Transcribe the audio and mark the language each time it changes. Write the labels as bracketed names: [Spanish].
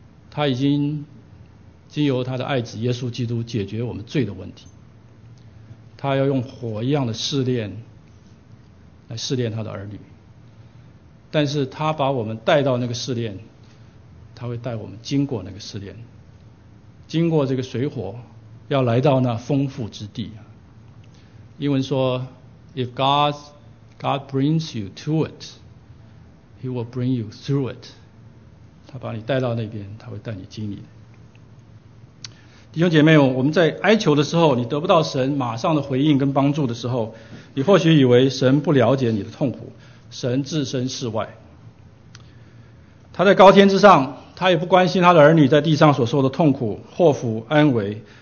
[Chinese] 他已经经由他的爱子耶稣基督解决我们罪的问题，他要用火一样的试炼来试炼他的儿女，但是他把我们带到那个试炼，他会带我们经过那个试炼，经过这个水火，要来到那丰富之地。英文说 [English] If God brings you to it, He will bring you through it. [Chinese] 他把你带到那边，他会带你经历。弟兄姐妹，我们在哀求的时候，你得不到神马上的回应跟帮助的时候，你或许以为神不了解你的痛苦，神置身事外，他在高天之上，他也不关心他的儿女在地上所受的痛苦、祸福、安危。